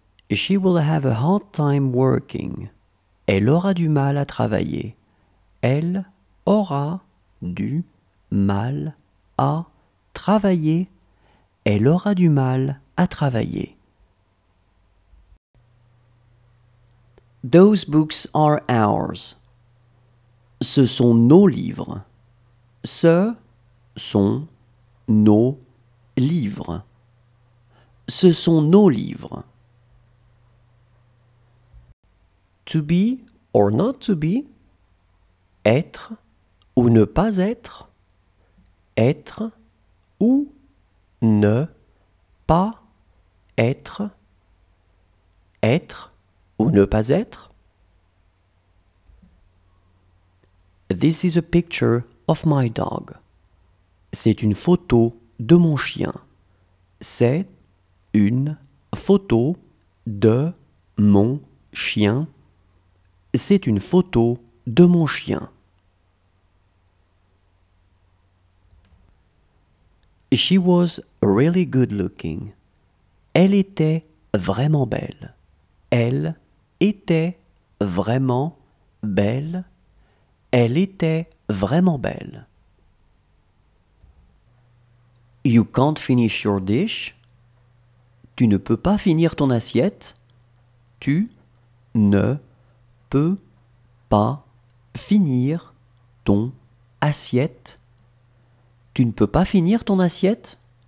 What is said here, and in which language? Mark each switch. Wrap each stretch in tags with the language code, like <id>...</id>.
<en>She will have a hard time working.</en> <fr>Elle aura du mal à travailler. Elle aura du mal à travailler. Elle aura du mal à travailler.</fr> <en>Those books are ours.</en> <fr>Ce sont nos livres. Ce sont nos livres. Ce sont nos livres.</fr> <en>To be or not to be.</en> <fr>Être ou ne pas être. Être ou ne pas être. Être ou ne pas être.</fr> <en>This is a picture of my dog.</en> <fr>C'est une photo de mon chien. C'est une photo de mon chien. C'est une photo de mon chien.</fr> <en>She was really good looking.</en> <fr>Elle était vraiment belle. Elle était vraiment belle. Elle était vraiment belle.</fr> <en>You can't finish your dish.</en> <fr>Tu ne peux pas finir ton assiette. Tu ne peux pas finir ton assiette. Tu ne peux pas finir ton assiette.</fr>